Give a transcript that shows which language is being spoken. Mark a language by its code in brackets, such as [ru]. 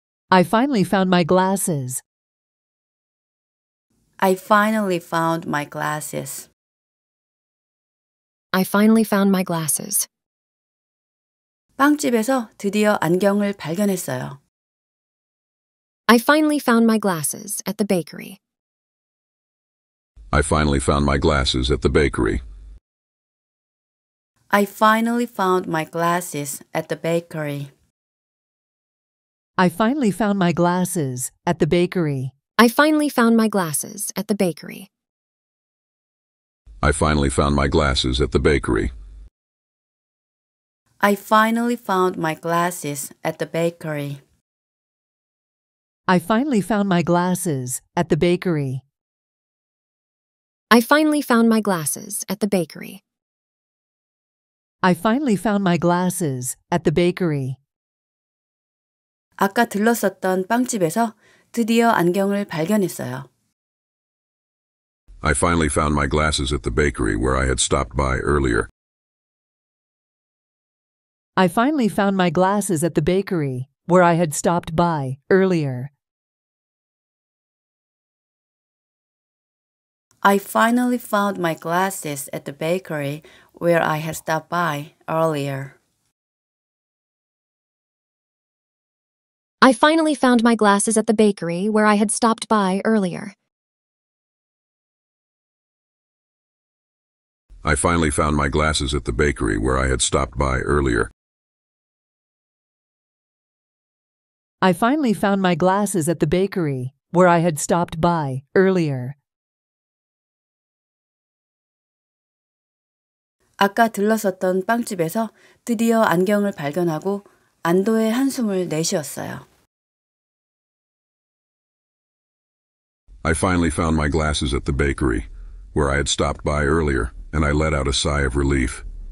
[en] I finally found my glasses. I finally found my glasses. I finally found my glasses. [ko] 빵집에서 드디어 안경을 발견했어요. [en] I finally found my glasses at the bakery. I finally found my glasses at the bakery. I finally found my glasses at the bakery. I finally found my glasses at the bakery. I finally found my glasses at the bakery. I finally found my glasses at the bakery. I finally found my glasses at the bakery. I finally found my glasses at the bakery. I finally found my glasses at the bakery. I finally found my glasses at the bakery. [ko] 아까 들렀었던 빵집에서 드디어 안경을 발견했어요. [en] I finally found my glasses at the bakery where I had stopped by earlier. I finally found my glasses at the bakery where I had stopped by earlier. I finally found my glasses at the bakery where I had stopped by earlier. I finally found my glasses at the bakery where I had stopped by earlier. I finally found my glasses at the bakery where I had stopped by earlier. I finally found my glasses at the bakery where I had stopped by earlier. [ko] 아까 들렀었던 빵집에서 드디어 안경을 발견하고 안도의 한숨을 내쉬었어요. [en] I finally found my glasses at the bakery, where I had stopped by earlier, and I let out a sigh of relief.